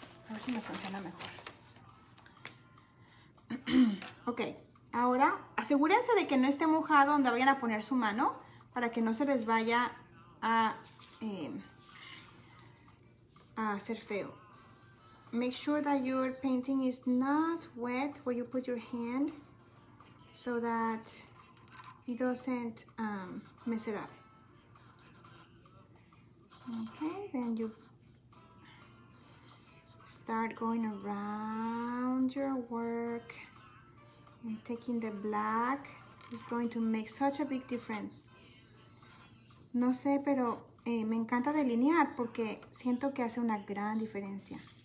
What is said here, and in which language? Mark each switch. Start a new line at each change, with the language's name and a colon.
Spanish: A ver si me funciona mejor. Ok, ahora asegúrense de que no esté mojado donde vayan a poner su mano para que no se les vaya a hacer feo.
English: Make sure that your painting is not wet where you put your hand so that it doesn't mess it up. Okay, then you start going around your work and taking the black. It's going to make such a big difference.
Spanish: No sé, pero me encanta delinear porque siento que hace una gran diferencia.